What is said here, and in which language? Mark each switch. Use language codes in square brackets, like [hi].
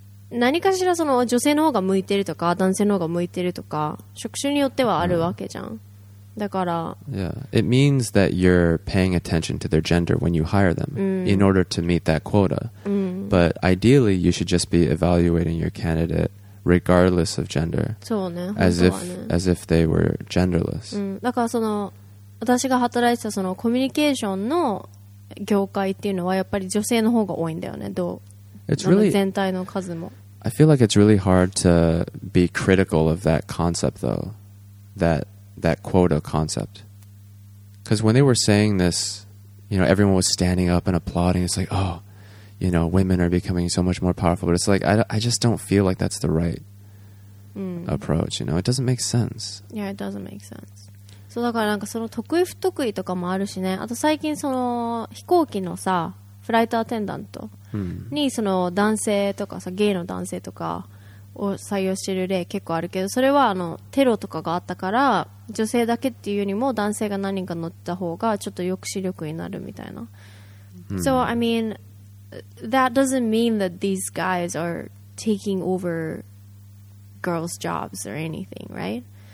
[ja] 何かしらその女性の方が向いてるとか男性の方が向いてるとか職種によってはあるわけじゃん、mm. だから [en] Yeah, it means that you're paying attention to their gender when you hire them、mm. in order to meet that quota、 mm. but ideally you should just be evaluating your candidate regardless of gender [ja] そうね、 [en] as if they were genderless、 [ja] うん、だからその私が働いてたそのコミュニケーションの業界っていうのはやっぱり女性の方が多いんだよねどう [en] It's really, [ja] 全体の数も [en] I feel like it's really hard to be critical of that concept though that quota concept because when they were saying this you know everyone was standing up and applauding it's like oh you know women are becoming so much more powerful but it's like I just don't feel like that's the right、 mm. approach you know it doesn't make sense yeah it doesn't make sense [ja] そうだからなんかその得意不得意とかもあるしねあと最近その飛行機のさフライトアテンダントにその男性とかさゲイの男性とかを採用してる例結構あるけどそれはあのテロとかがあったから女性だけっていうよりも男性が何人か乗った方がちょっと抑止力になるみたいな、mm. [en] So I mean that doesn't mean that these guys are taking over girls' jobs or anything, right?